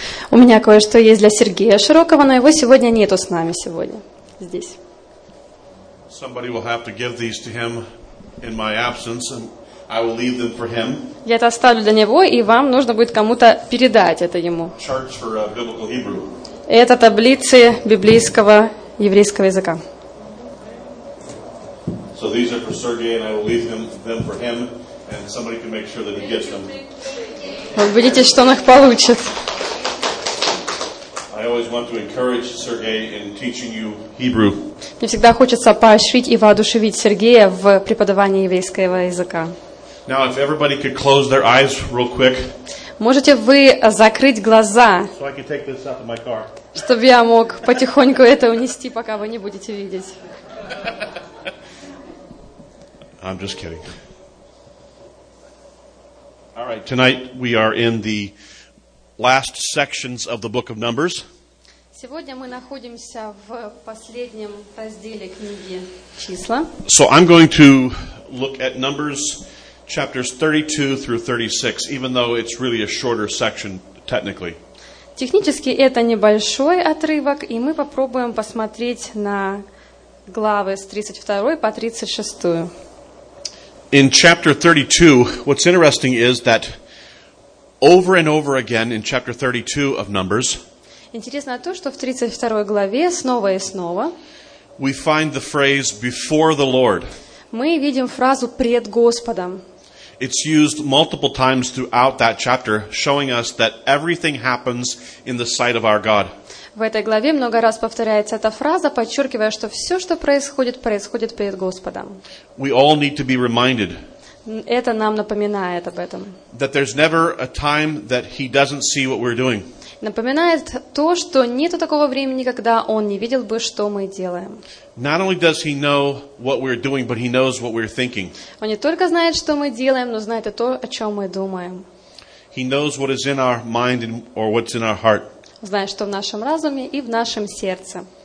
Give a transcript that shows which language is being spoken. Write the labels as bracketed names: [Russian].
[Russian] У меня кое-что есть для Сергея Широкова, но его сегодня нету с нами сегодня здесь. [English] Somebody will have to give these to him in my absence, and I will leave them for him. [Russian] Я это оставлю для него, и вам нужно будет кому-то передать это ему. [English] Charts for biblical Hebrew. [Russian] Это таблицы библейского еврейского языка. [English] So these are for Sergey, and I will leave them for him, and somebody can make sure that he gets them. [Russian] Убедитесь, что он их получит. [English] I always want to encourage Sergey in teaching you Hebrew. [Russian] Мне всегда хочется поощрить и воодушевить Сергея в преподавании еврейского языка. [English] Now, if everybody could close their eyes real quick. [Russian] Можете вы закрыть глаза, [English] so I can take this out of my car. [Russian] Чтобы я мог потихоньку это унести, пока вы не будете видеть. [English] I'm just kidding. All right, tonight we are in the last sections of the book of Numbers. [Russian] Сегодня мы находимся в последнем разделе книги Числа. [English] So I'm going to look at Numbers chapters 32 through 36, even though it's really a shorter section technically. [Russian] Технически это небольшой отрывок, и мы попробуем посмотреть на главы с 32 по 36. [English] In chapter 32, what's interesting is that over and over again in chapter 32 of Numbers, [Russian] интересно то, что в 32 главе снова и снова [English] we find the phrase before the Lord. [Russian] Мы видим фразу пред Господом. [English] It's used multiple times throughout that chapter, showing us that everything happens in the sight of our God. [Russian] В этой главе много раз повторяется эта фраза, подчеркивая, что все, что происходит, происходит перед Господом. [English] We all need to be reminded. [Russian] Это нам напоминает об этом. [English] That there's never a time that He doesn't see what we're doing. [Russian] Напоминает то, что нету такого времени, когда Он не видел бы, что мы делаем. [English] Not only does He know what we're doing, but He knows what we're thinking. [Russian] Он не только знает, что мы делаем, но знает и то, о чем мы думаем. [English] He knows what is in our mind or what's in our heart. [Russian] Знаешь, что в нашем разуме и в нашем сердце.